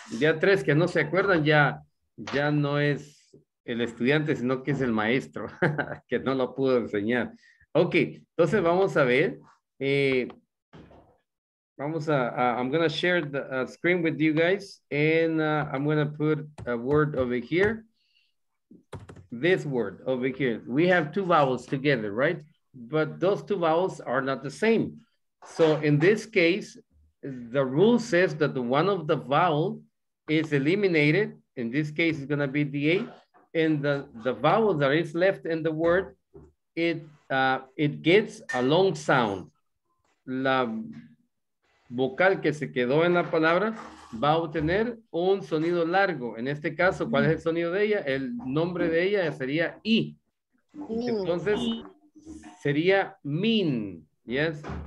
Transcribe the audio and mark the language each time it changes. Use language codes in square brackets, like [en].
[es] Ya tres que no se acuerdan, ya no es el estudiante, sino que es el maestro, que no lo pudo enseñar. Okay, entonces vamos a ver. [en] I'm going to share the screen with you guys, and I'm going to put a word over here. This word over here. We have two vowels together, right? But those two vowels are not the same. So in this case, the rule says that the one of the vowel is eliminated. In this case, it's going to be the A. And the vowel that is left in the word, it gets a long sound. [es] La vocal que se quedó en la palabra va a obtener un sonido largo. En este caso, ¿cuál es el sonido de ella? El nombre de ella sería I. Entonces, sería mean, yes.